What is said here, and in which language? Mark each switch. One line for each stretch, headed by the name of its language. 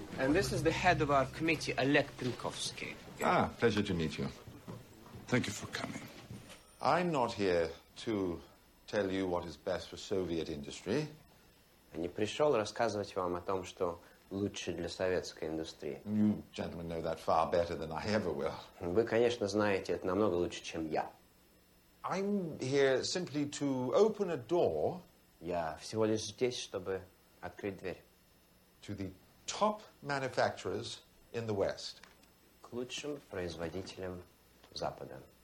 English: And this is the head of our committee, Alek Pilkovsky. Ah, pleasure to meet you. Thank you for coming. I'm not here to tell you what is best for Soviet industry.
Russian: Не пришел рассказывать вам о том, что лучше для советской индустрии.
English: You gentlemen know that far better than I ever will.
Russian: Вы, конечно, знаете это намного лучше, чем я.
English: I'm here simply to open a door.
Russian: Я всего лишь здесь, чтобы открыть дверь.
English: To the top manufacturers in the West.
Russian: К лучшим производителям Запада.